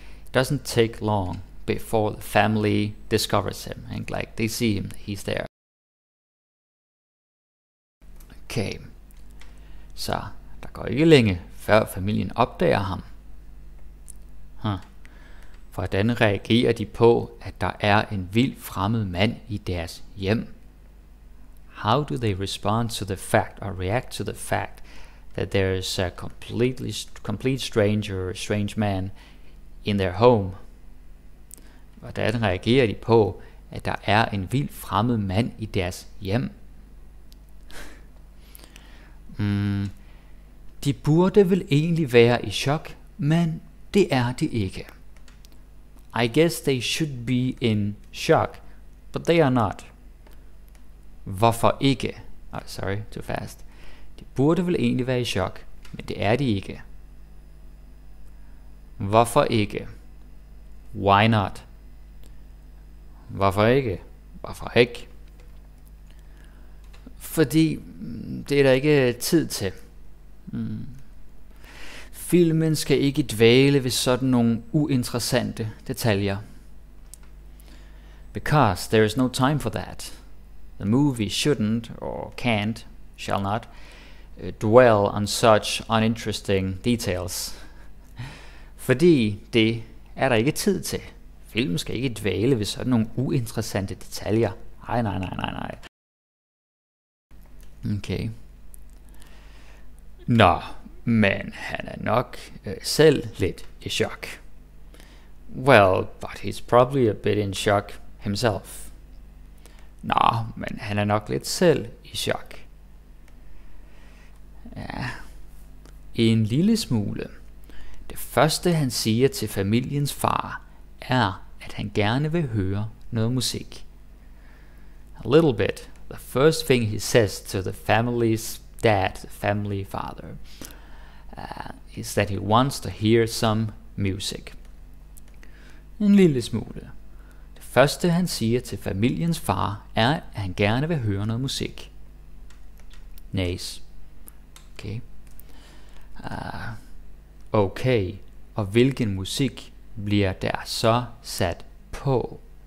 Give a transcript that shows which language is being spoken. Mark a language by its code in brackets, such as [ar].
[en] It doesn't take long before the family discovers him and like they see him, he's there. [da] Okay, så der går ikke længe, før familien opdager ham. Hvordan reagerer de på, at der er en vild fremmed mand i deres hjem? [en] How do they respond to the fact or react to the fact that there is a complete stranger or a strange man in their home? [da] Hvordan reagerer de på, at der er en vild fremmed mand i deres hjem? De burde vel egentlig være i chok, men det er de ikke. [en] I guess they should be in shock, but they are not. [da] Hvorfor ikke? [en] Oh, sorry, too fast. [da] De burde vel egentlig være i chok, men det er de ikke. Hvorfor ikke? [en] Why not? [da] Hvorfor ikke? Hvorfor ikke? Fordi det er der ikke tid til. Filmen skal ikke dvæle ved sådan nogle uinteressante detaljer. [en] Because there is no time for that. The movie shouldn't or can't, shall not, dwell on such uninteresting details. [da] Fordi det er der ikke tid til. Filmen skal ikke dvæle ved sådan nogle uinteressante detaljer. Nej. Okay. Nå. Men han er nok selv lidt i chok. [en] Well, but he's probably a bit in shock himself. [da] Nå, men han er nok lidt selv i chok. Ja, en lille smule. Det første han siger til familiens far er, at han gerne vil høre noget musik. [en] A little bit. The first thing he says to the family's dad, the family father, is that he wants to hear some music. [da] En lille smule. Det første han siger til familiens far er, at han gerne vil høre noget musik. Nice. Okay. Okay. Og hvilken musik bliver der så sat på?